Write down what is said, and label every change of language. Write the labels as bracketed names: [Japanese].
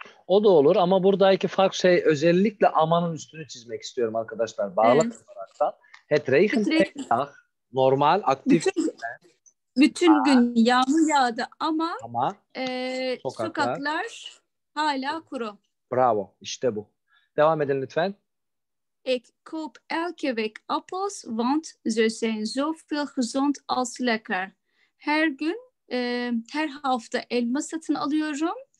[Turkish] O da olur ama buradaki fark şey, özellikle amanın üstünü çizmek istiyorum arkadaşlar. Bağlı olarak da [Dutch] het regent de hele dag, normal, aktif. [Turkish] Bütün gün yağmur yağdı ama sokaklar hala kuru. Bravo, işte bu. Devam edin lütfen. [Dutch] Ik koop elke week appels, want ze zijn zo veel gezond als lekker. [Turkish] Her gün, her hafta elma satın alıyorum.